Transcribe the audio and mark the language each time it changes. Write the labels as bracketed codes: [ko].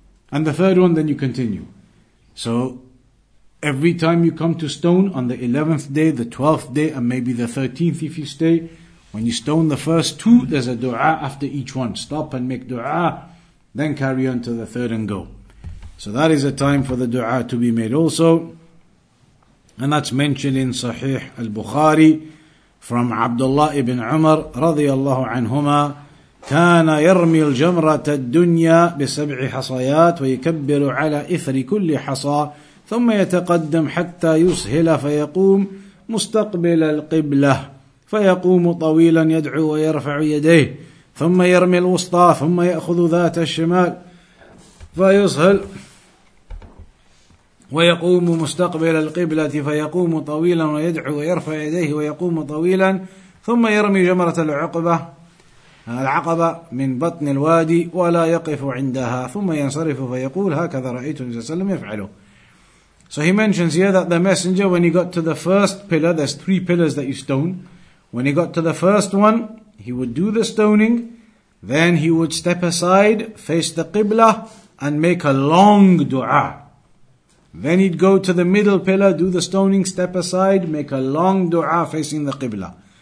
[en] And the third one, then you continue. So every time you come to stone on the 11th day, the 12th day, and maybe the 13th if you stay, when you stone the first two, there's a dua after each one. Stop and make dua, then carry on to the third and go. So that is a time for the dua to be made also. And that's mentioned in Sahih al-Bukhari from Abdullah ibn Umar radiyallahu anhuma. [ar] كان يرمي الجمرة الدنيا بسبع حصيات ويكبر على إثر كل حصى ثم يتقدم حتى يسهل فيقوم مستقبل القبلة فيقوم طويلا يدعو ويرفع يديه ثم يرمي الوسطى ثم يأخذ ذات الشمال فيسهل ويقوم مستقبل القبلة فيقوم طويلا ويدعو ويرفع يديه ويقوم طويلا ثم يرمي جمرة العقبة العقبة من بطن الوادي ولا يقف عندها ثم ينصرف فيقول هكذا رأيت النبي صلى الله عليه وسلم يفعله. [en] So he mentions here that the messenger, when he got to the first pillar, there's three pillars that you stone. When he got to the first one, he would do the stoning, then he would step aside, face the Qibla, and make a long dua. Then he'd go to the middle pillar, do the stoning, step aside, make a long dua facing the Qibla.